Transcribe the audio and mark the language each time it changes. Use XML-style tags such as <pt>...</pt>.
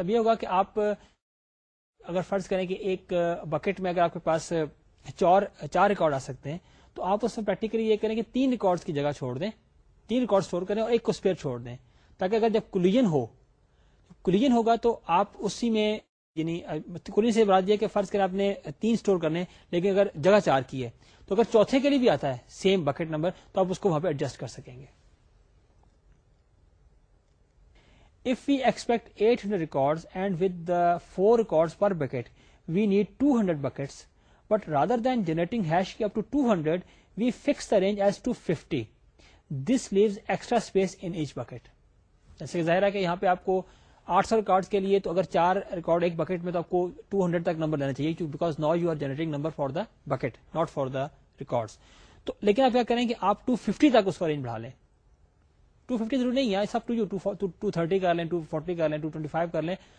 <ur>اب یہ ہوگا کہ آپ اگر فرض کریں کہ ایک بکٹ میں اگر آپ کے پاس چار ریکارڈ آ سکتے ہیں تو آپ اس میں پریکٹیکلی یہ کریں کہ تین ریکارڈز کی جگہ چھوڑ دیں, تین ریکارڈ اسٹور کریں اور ایک کو اسپیئر چھوڑ دیں, تاکہ اگر جب کولیجن ہوگا تو آپ اسی میں, یعنی کولیجن سے براد یہ کہ فرض کریں آپ نے تین اسٹور کرنے لیکن اگر جگہ چار کی ہے تو اگر چوتھے کے لیے بھی آتا ہے سیم بکٹ نمبر تو آپ اس کو وہاں پہ ایڈجسٹ کر سکیں گے.</ur> <en>If we expect 800 records and with the 4 records per bucket, we need 200 buckets. But rather than generating hash key up to 200, we fix the range as to 50. This leaves extra space in each bucket.</en> <ur>جیسے کہ ظاہر ہے کہ یہاں پہ آپ کو 800 records کے لیے تو اگر 4 record ایک bucket میں تو آپ کو 200 تک number لینا چاہیے,</ur> <en>because now you are generating number for the bucket, not for the records.</en> <ur>تو لیکن آپ کیا کریں کہ آپ 250 تک اس کا range بڑھا لیں. 250 ضرور نہیں ہے, سب ٹو یو 230 کر لیں, 240 کر لیں, 225 کر لیں.</ur>